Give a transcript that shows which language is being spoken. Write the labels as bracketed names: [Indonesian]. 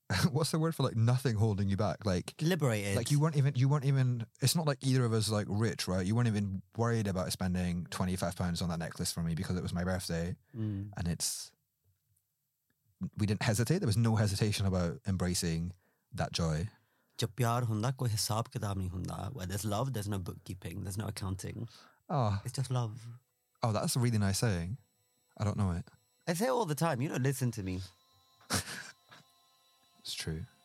[English] What's the word for, like, nothing holding you back? Like... Liberated. Like, you weren't even... It's not like either of us, like, rich, right? You weren't even worried about spending £25 on that necklace for me because it was my birthday. Mm. And it's... We didn't hesitate. There was no hesitation about embracing that joy. [Punjabi] ਜਬ ਪਿਆਰ ਹੁੰਦਾ, ਕੋਈ ਹਿਸਾਬ ਕਿਤਾਬ ਨਹੀਂ ਹੁੰਦਾ। [English] Where there's love, there's no bookkeeping, there's no accounting. Oh. It's just love. Oh, that's a really nice saying. I don't know it. I say it all the time. You don't listen to me. It's true.